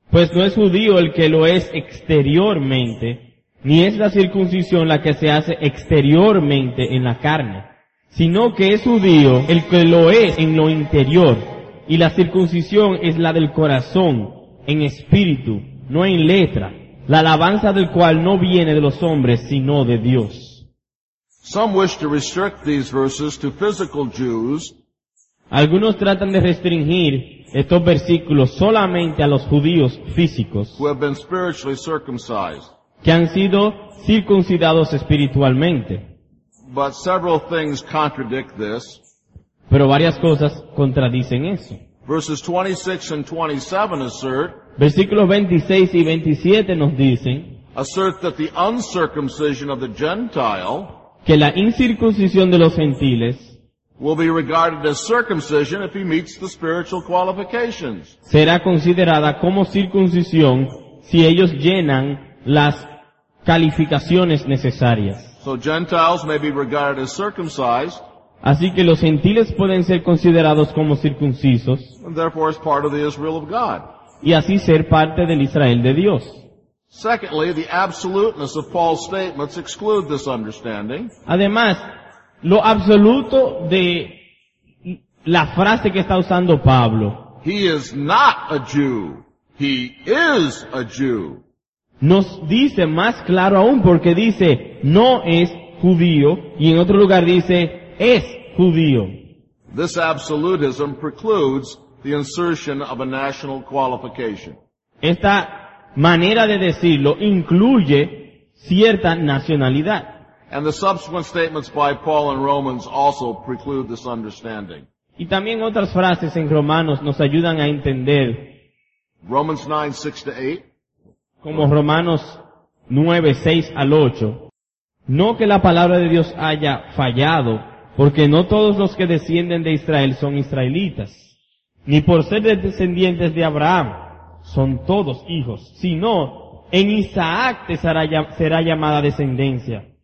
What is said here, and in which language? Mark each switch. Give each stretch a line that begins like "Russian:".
Spanish: Pues no es judío el que lo es exteriormente, ni es la circuncisión la que se hace exteriormente en la carne, sino que es judío el que lo es en lo interior, y la circuncisión es la del corazón, en espíritu, no en letra, la alabanza del cual no viene de los hombres, sino de Dios.
English: Some wish to restrict these verses to physical Jews.
Spanish: Algunos tratan de restringir estos versículos solamente a los judíos físicos,
English: who have been spiritually circumcised,
Spanish: que han sido circuncidados espiritualmente.
English: But several things contradict this.
Spanish: Pero varias cosas contradicen eso.
English: Verses 26 and 27 assert,
Spanish: versículos 26 y 27 nos dicen,
English: assert that the uncircumcision of the Gentile,
Spanish: que la incircuncisión de los gentiles,
English: will be regarded as circumcision if he meets the spiritual qualifications.
Spanish: Será considerada como circuncisión si ellos llenan las calificaciones necesarias.
English: So Gentiles may be regarded as circumcised.
Spanish: Así que los gentiles pueden ser considerados como circuncisos.
English: And therefore as part of the Israel of God.
Spanish: Y así ser parte del Israel de Dios.
English: Secondly, the absoluteness of Paul's statements exclude this understanding.
Spanish: Además, lo absoluto de la frase que está usando Pablo.
English: He is not a Jew. He is a Jew.
Spanish: Nos dice más claro aún porque dice no es judío y en otro lugar dice es judío.
English: This absolutism precludes the insertion of a national qualification.
Spanish: Esta manera de decirlo incluye cierta nacionalidad.
English: And the subsequent statements by Paul in Romans also preclude this understanding.
Spanish: Y también otras frases en Romanos nos ayudan a entender.
English: Romans 9:6-8.
Spanish: como Romanos 9, 6 al 8. No que la palabra de Dios haya fallado, porque no todos los que descienden de Israel son israelitas, ni por ser descendientes de Abraham son todos hijos, sino en Isaac te será llamada descendencia.